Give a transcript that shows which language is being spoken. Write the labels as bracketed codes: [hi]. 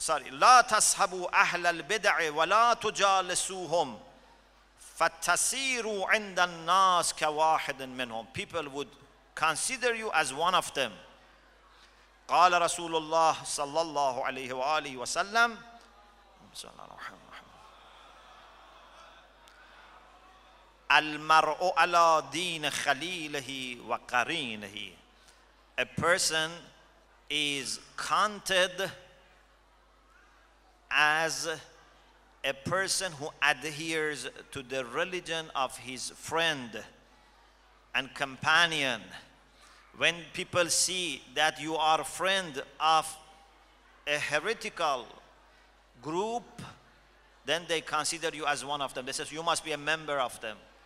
[ar] لا تصحبوا أهل البدع ولا تجالسوهم فتصيروا عند الناس كواحد منهم. [en] People would consider you as one of them. [ar] قال رسول الله صلى الله عليه وآله وسلم صلى الله عليه وسلم المرء على دين خليله وقرينه. [en] A person is counted as a person who adheres to the religion of his friend and companion. When people see that you are friend of a heretical group, then they consider you as one of them. They say you must be a member of them.